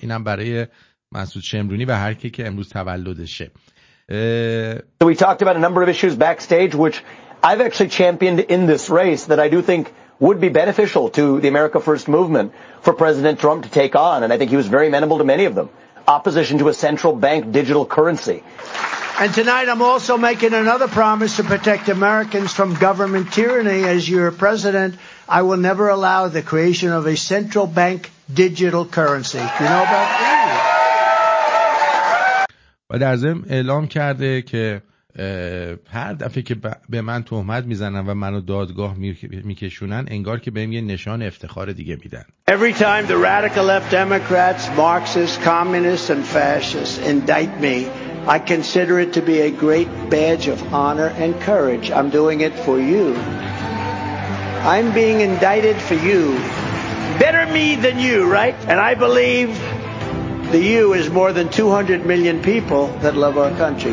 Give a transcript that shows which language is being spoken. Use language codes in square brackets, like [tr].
[fa] اینم برای مسعود شمرونی و هر کی که امروز تولدشه. [en] We talked about a number of issues backstage which I've actually championed in this race that I do think would be beneficial to the America First movement for President Trump to take on, and I think he was very amenable to many of them. Opposition to a central bank digital currency. And tonight I'm also making another promise to protect Americans from government tyranny. As your president, I will never allow the creation of a central bank digital currency. Do you know about that? [fa] و در ضمن اعلام کرده که هر دفعه که به من تهمت میزنن و منو دادگاه میکشونن انگار که بهم یه نشان افتخار دیگه میدن. [en] Every time the radical left Democrats, Marxists, communists and fascists indict me, I consider it to be a great badge of honor and courage. I'm doing it for you. I'm being indicted for you. Better me than you, right? And I believe the you is more than 200 million people that love our country.